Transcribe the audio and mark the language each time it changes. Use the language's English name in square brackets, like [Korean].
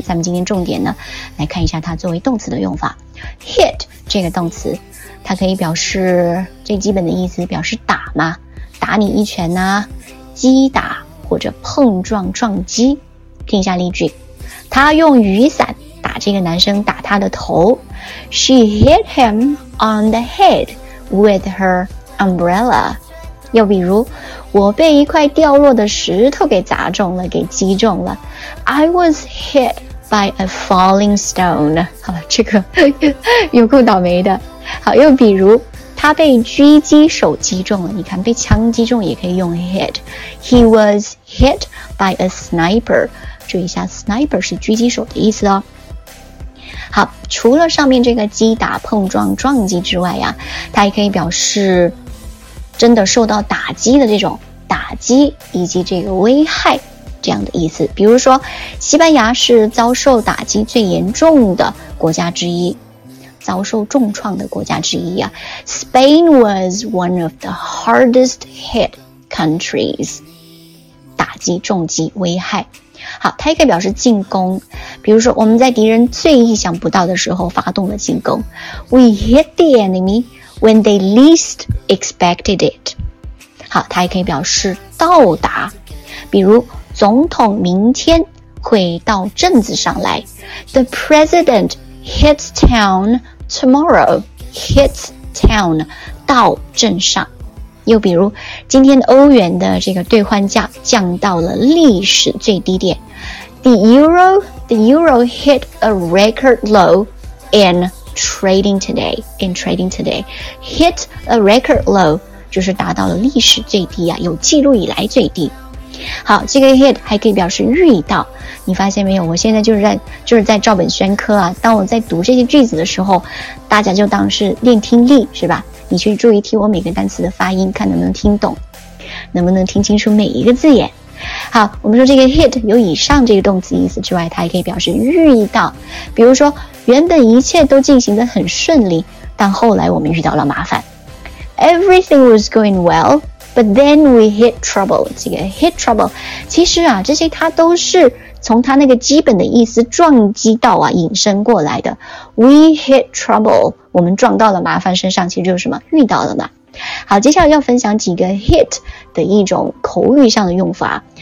[Chinese] 咱们今天重点呢来看一下它作为动词的用法。hit 这个动词它可以表示最基本的意思，表示打嘛，打你一拳啊，击打或者碰撞撞击。听一下例句，他用雨伞打这个男生，打他的头。 [English] She hit him on the head with her umbrella。 [Chinese] 又比如，我被一块掉落的石头给砸中了，给击中了。 [English] I was hit by a falling stone。 [Chinese] 好了，这个有够倒霉的。好，又比如，他被狙击手击中了，你看被枪击中也可以用 hit。 [English] He was hit by a sniper。 [Chinese] 注意一下， sniper 是狙击手的意思哦。好，除了上面这个击打碰撞撞击之外呀，它也可以表示真的受到打击的这种打击以及这个危害这样的意思。比如说，西班牙是遭受打击最严重的国家之一，遭受重创的国家之一啊。 [English] Spain was one of the hardest hit countries。 [Chinese] 打击重击危害。好，它也可以表示进攻，比如说我们在敌人最意想不到的时候发动了进攻。 [English] We hit the enemy when they least expected it。 [Chinese] 好，它也可以表示到达，比如总统明天会到镇子上来。 [English] The president hits town tomorrow。 Hits town [Chinese] 到镇上。又比如，今天欧元的这个兑换价降到了历史最低点。 [English] The euro hit a record low in trading today. Hit a record low [Chinese] 就是达到了历史最低啊，有记录以来最低。好，这个 hit 还可以表示遇到。你发现没有，我现在就是在照本宣科啊。当我在读这些句子的时候，大家就当是练听力是吧，你去注意听我每个单词的发音，看能不能听懂，能不能听清楚每一个字眼。好，我们说这个 hit 有以上这个动词意思之外，它还可以表示遇到。比如说，原本一切都进行得很顺利，但后来我们遇到了麻烦。 [English] Everything was going wellBut then we hit trouble。 [Chinese] 这个 [English] hit trouble [Chinese] 其实啊，这些它都是从它那个基本的意思撞击到啊引申过来的。 [English] We hit trouble， [Chinese] 我们撞到了麻烦身上，其实就是什么，遇到了嘛。好，接下来要分享几个 hit 的一种口语上的用法。